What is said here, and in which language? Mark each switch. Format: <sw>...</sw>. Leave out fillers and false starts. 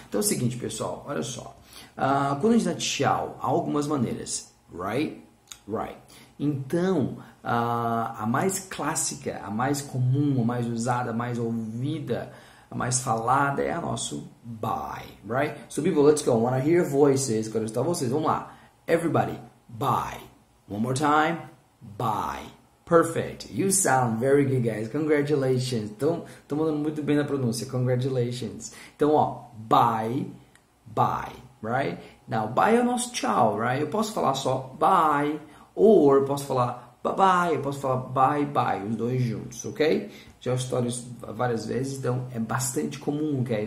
<pt>Então é o seguinte, pessoal, olha só. Quando a gente dá tchau, há algumas maneiras, right? Right. Então, a mais clássica, a mais comum, a mais usada, a mais ouvida, a mais falada é a nosso bye, right?</pt> <en>So people, let's go. I want to hear voices.</en> <pt>Quero escutar vocês. Vamos lá.</pt> <en>Everybody, bye. One more time, bye. Perfect. You sound very good, guys. Congratulations.</en> <pt>Tô mandando muito bem na pronúncia. Congratulations. Então, ó, bye, bye, right? Now, bye é o nosso tchau, right? Eu posso falar só bye, or posso falar bye-bye, eu posso falar bye-bye, os dois juntos, ok? Já estou isso várias vezes, então é bastante comum, ok?</pt>